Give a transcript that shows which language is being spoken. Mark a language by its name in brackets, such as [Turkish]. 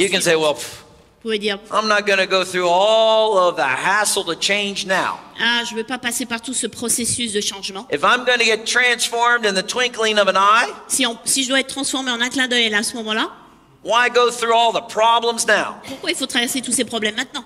[English] You can say, well, I'm not going to go through all of the hassle to change now. [French] Ah, je vais pas passer par tout ce processus de changement. [English] If I'm going to get transformed in the twinkling of an eye, [French] si je dois être transformé en un clin d'œil à ce moment-là, [English] why go through all the problems now? [French] Pourquoi il faut traverser tous ces problèmes maintenant?